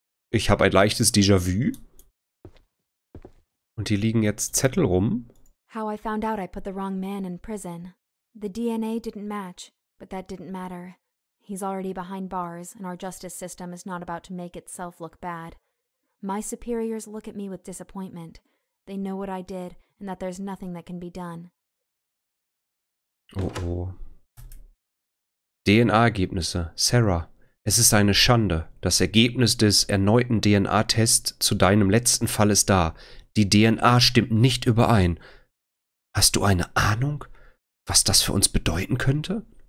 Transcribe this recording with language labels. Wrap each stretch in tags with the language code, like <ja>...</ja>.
<de>Ich habe ein leichtes Déjà-vu. Und hier liegen jetzt Zettel rum.</de> <en>How I found out I put the wrong man in prison. The DNA didn't match, but that didn't matter. He's already behind bars, and our justice system is not about to make itself look bad. My superiors look at me with disappointment. They know what I did, and that there's nothing that can be done.</en> <de>Oh oh. DNA-Ergebnisse. Sarah, es ist eine Schande. Das Ergebnis des erneuten DNA-Tests zu deinem letzten Fall ist da. Die DNA stimmt nicht überein. Hast du eine Ahnung, was das für uns bedeuten könnte?</de>